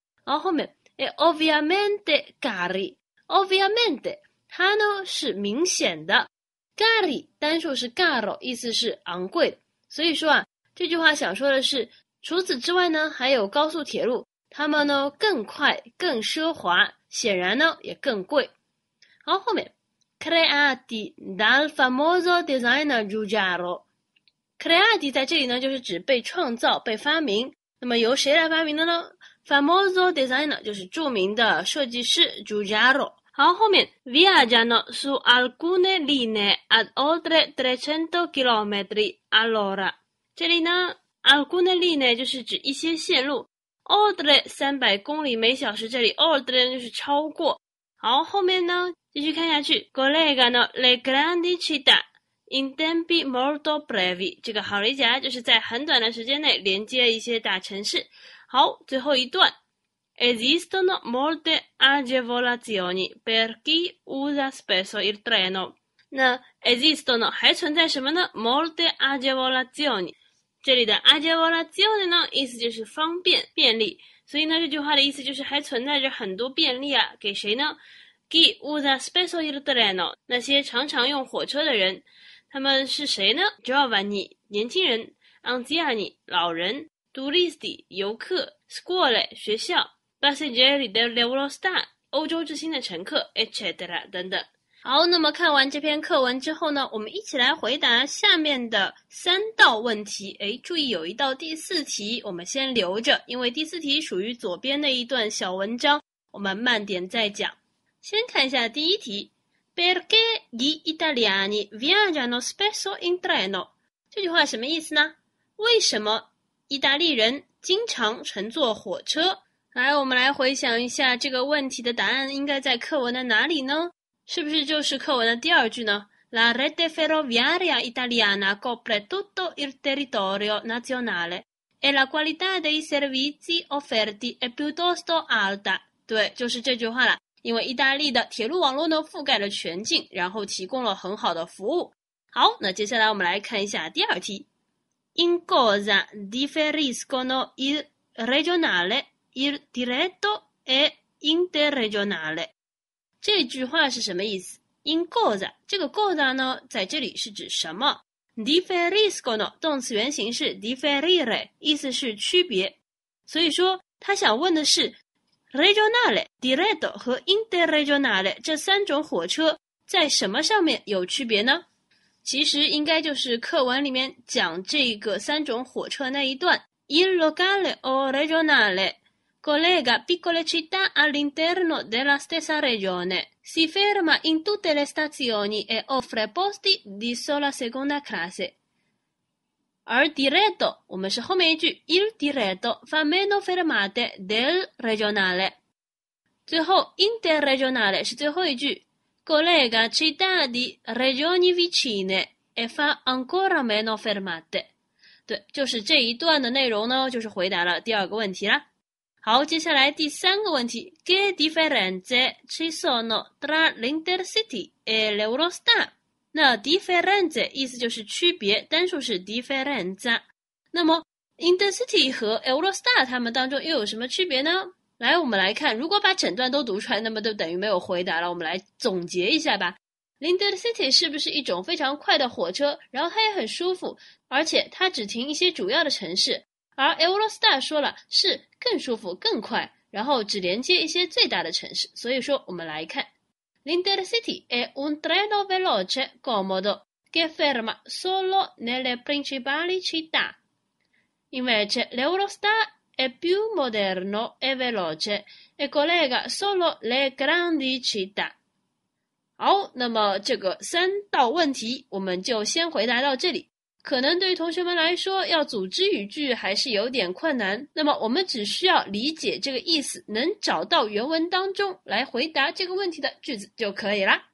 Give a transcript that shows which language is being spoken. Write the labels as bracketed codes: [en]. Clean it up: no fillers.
[zh] 然后后面 [it] E ovviamente cari。 [zh] Ovviamente 它呢是明显的， cari 单数是 caro， 意思是昂贵的。所以说啊，这句话想说的是，除此之外呢，还有高速铁路，它们呢更快、更奢华，显然呢也更贵。好，后面 [it] creati dal famoso designer Giugiaro。 [zh] creati 在这里呢就是指被创造、被发明。那么由谁来发明的呢？ famoso designer 就是著名的设计师 Giugiaro。好，后面 [it] viaggiano su alcune linee ad oltre 300 km/h。 [zh] 这里呢 alcune linee 就是指一些线路， oltre 300公里每小时，这里 oltre 就是超过。好，后面呢继续看下去 [it] collegano le grandi città in tempi molto brevi， [zh] 这个好理解，就是在很短的时间内连接一些大城市。好，最后一段 [it] esistono molte agevolazioni per chi usa spesso il treno。 [zh] 那 esistono 还存在什么呢？ [it] molte agevolazioni， [zh] 这里的 agevolazione 呢，意思就是方便、便利，所以呢，这句话的意思就是还存在着很多便利啊，给谁呢？ [it] chi usa spesso il treno， [zh] 那些常常用火车的人，他们是谁呢？ giovani 年轻人， anziani 老人， turisti 游客， scuole 学校， [it] passeggeri dell'Eurostar [zh] 欧洲之星的乘客， eccetera 等等。好，那么看完这篇课文之后呢，我们一起来回答下面的三道问题。诶，注意有一道第四题我们先留着，因为第四题属于左边的一段小文章，我们慢点再讲。先看一下第一题， [it] Perché gli italiani viaggiano spesso in treno？ [zh] 这句话什么意思呢？为什么意大利人经常乘坐火车？来，我们来回想一下这个问题的答案应该在课文的哪里呢？是不是就是课文的第二句呢？ [it] La rete ferroviaria italiana copre tutto il territorio nazionale e la qualità dei servizi offerti è piuttosto alta。 [zh] 对，就是这句话了，因为意大利的铁路网络呢覆盖了全境，然后提供了很好的服务。好，那接下来我们来看一下第二题。 [it] In cosa differiscono il regionale, il diretto e interregionale？ [zh] 这句话是什么意思？ [it] In cosa [zh] 这个 cosa 呢，在这里是指什么？Differiscono 动词原形是 differire， 意思是区别。所以说，他想问的是 regionale、diretto 和 interregionale 这三种火车在什么上面有区别呢？其实应该就是课文里面讲这个三种火车那一段。 [it] Il locale o regionale collega piccole città all'interno della stessa regione, si ferma in tutte le stazioni e offre posti di sola seconda classe。 [zh] 而 diretto， 我们是后面一句 [it] il diretto fa meno fermate del regionale。 [zh] 最后 interregionale 是最后一句。 [it] Collega città di regioni vicine e fa ancora meno fermate。 [zh] 对，就是这一段的内容呢，就是回答了第二个问题啦。好，接下来第三个问题： [it] Che differenze ci sono tra l'intercity e l'Eurostar？ [zh] 那 differenze 意思就是区别，单数是 differenza。那么 intercity 和 Eurostar 它们当中又有什么区别呢？来，我们来看，如果把整段都读出来，那么就等于没有回答了。我们来总结一下吧。 Intercity 是不是一种非常快的火车？然后它也很舒服，而且它只停一些主要的城市。而 Eurostar 说了是更舒服、更快，然后只连接一些最大的城市。所以说，我们来看， [it] Intercity è un treno veloce comodo che ferma solo nelle principali città. Invece l'Eurostar è più moderno e veloce e collega solo le grandi città。 [zh] 好，那么这个三道问题我们就先回答到这里。可能对于同学们来说，要组织语句还是有点困难。那么我们只需要理解这个意思，能找到原文当中来回答这个问题的句子就可以啦。